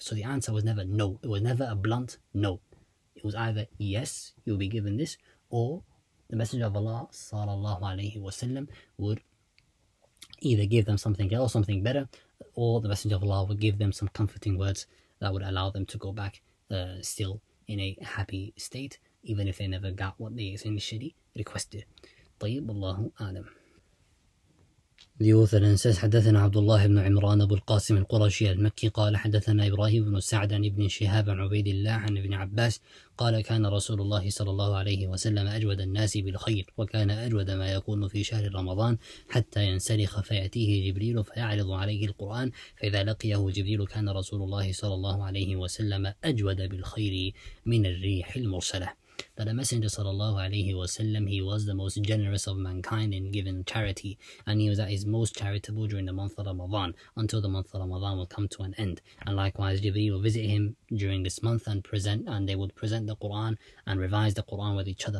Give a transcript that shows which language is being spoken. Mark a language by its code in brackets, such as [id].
[en] So the answer was never no. It was never a blunt no. It was either yes, you'll be given this, or the Messenger of Allah sallallahu alaihi wasallam would either give them something else, something better, or the Messenger of Allah would give them some comforting words that would allow them to go back still in a happy state, even if they never got what they initially requested. [ar] طيب, الله أعلم. [en] The author then says, [ar] حدثنا عبد الله بن عمران أبو القاسم القرشي المكي قال حدثنا إبراهيم بن سعد عن ابن شهاب عن عبيد الله عن ابن عباس قال كان رسول الله صلى الله عليه وسلم أجود الناس بالخير, وكان أجود ما يكون في شهر رمضان حتى ينسلخ فيأتيه جبريل فيعرض عليه القرآن, فإذا لقيه جبريل كان رسول الله صلى الله عليه وسلم أجود بالخير من الريح المرسلة. [en] That the Messenger sallallahu alayhi wasallam, he was the most generous of mankind in giving charity, and he was at his most charitable during the month of Ramadan, until the month of Ramadan will come to an end. And likewise, Jibreel will visit him during this month and present, and they would present the Quran and revise the Quran with each other.